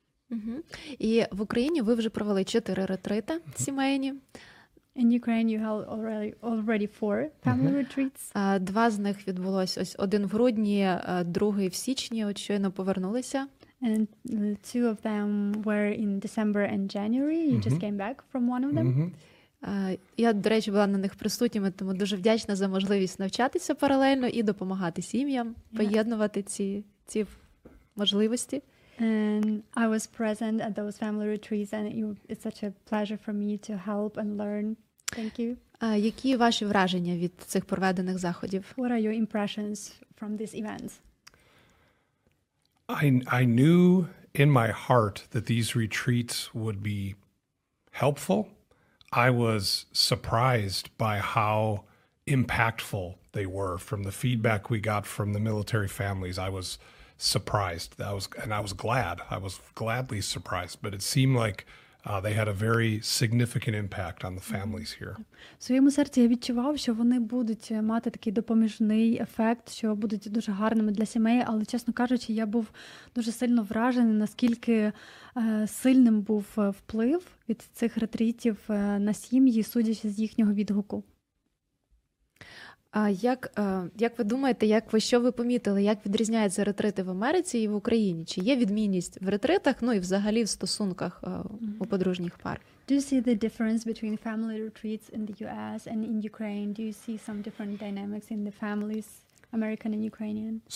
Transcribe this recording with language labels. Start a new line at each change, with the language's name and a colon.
Ukrainian: Угу. І в Україні ви вже провели 4 ретрити сімейні.
English: In Ukraine you held already 4 family retreats.
Ukrainian: Два з них відбулось ось один в грудні, другий в січні, от щойно повернулися.
English: And two of them were in December and January. You just came back from one of them.
Ukrainian: Я, до речі, була на них присутніми, тому дуже вдячна за можливість навчатися паралельно і допомагати сім'ям поєднувати ці можливості.
English: And I was present at those family retreats, and it's such a pleasure for me to help and learn. Thank you.
Ukrainian: Які ваші враження від цих проведених заходів?
English: What are your impressions from these events? I knew in my heart that these retreats would be helpful. I was surprised by how impactful they were from the feedback we got from the military families. I was surprised. That was, and I was glad. I was gladly surprised, but it seemed like they had a very significant impact on the families here.
Ukrainian: В своєму серці я відчував, що вони будуть мати такий допоміжний ефект, що будуть дуже гарними для сімей, але, чесно кажучи, я був дуже сильно вражений, наскільки сильним був вплив від цих ретритів на сім'ї, судячи з їхнього відгуку. Як ви думаєте, що ви помітили, як відрізняються ретрити в Америці і в Україні? Чи є відмінність в ретритах, ну і взагалі в стосунках у подружніх пар?
English: Do you see the difference between family retreats in the US and in Ukraine? Do you see some different dynamics in the families, American and Ukrainian?